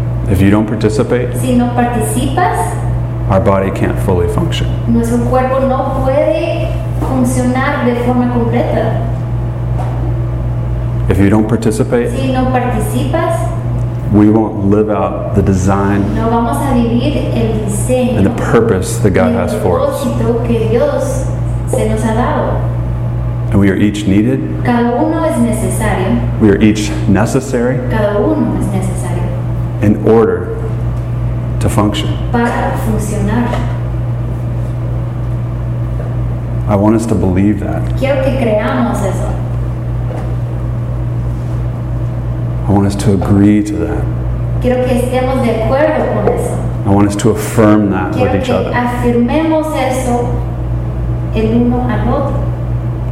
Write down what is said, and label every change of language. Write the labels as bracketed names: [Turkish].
[English] If you don't participate, [Spanish] si no participas, [English] our body can't fully function. [Spanish] Nuestro cuerpo no puede funcionar de forma completa. [English] If you don't participate, [Spanish] si no participas, [English] we won't live out the design, [Spanish] no vamos a vivir el diseño, [English] and the purpose that God has for us. [Spanish] Que Dios se nos ha dado. [English] And we are each needed. [Spanish] Cada uno es necesario. [English] We are each necessary. [Spanish] Cada uno es necesario. [English] In order to function. [Spanish] Para funcionar. [English] I want us to believe that. [Spanish] Quiero que creamos eso. [English] I want us to agree to that. [Spanish] Quiero que estemos de acuerdo con eso. [English] I want us to affirm that [Spanish] Quiero [English] with each [Spanish] que [English] other. [Spanish] Afirmemos eso el uno al otro.